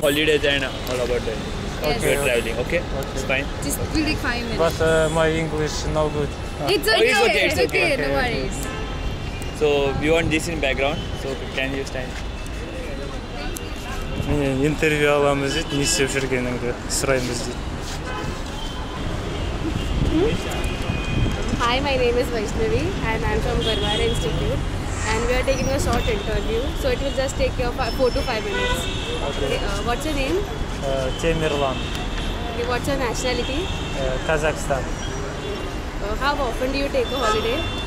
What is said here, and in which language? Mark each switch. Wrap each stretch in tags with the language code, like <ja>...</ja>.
<en>Holidays and all about that. Okay. We're traveling, okay? It's fine. Just really 5 minutes. But my English is no good. It's okay. It's okay. No worries. So we want this in background. So can you stand?</en> <kk>Interview аламыз дейді, не істеп жүргеніңді сұраймыз дейді.</kk> <en>Hi, my name is Vaishnavi and I'm from Garhwal Institute. And we are taking a short interview, so it will just take your 4 to 5 minutes. Okay. What's your name? Temirlan. Okay, what's your nationality? Kazakhstan. How often do you take a holiday?</en>